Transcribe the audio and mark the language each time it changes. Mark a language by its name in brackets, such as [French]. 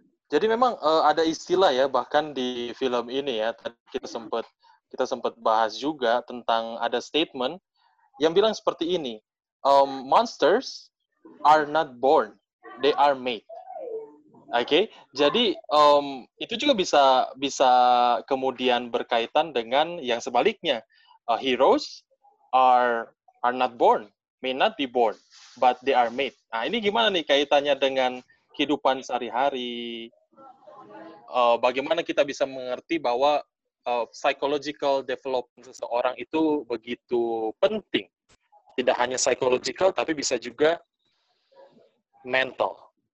[Indonesian] Jadi memang ada istilah ya bahkan di film ini ya tadi kita sempat bahas juga tentang ada statement yang bilang seperti ini. [English] Monsters are not born. They are made. Okay? [Indonesian] Jadi itu juga bisa kemudian berkaitan dengan yang sebaliknya. [English] Heroes are not born, may not be born, but they are made. [Indonesian] Nah, ini gimana nih kaitannya dengan kehidupan sehari-hari? Bagaimana kita bisa mengerti bahwa [English] psychological development [Indonesian] seseorang itu begitu penting. Tidak hanya psychological tapi bisa juga mental.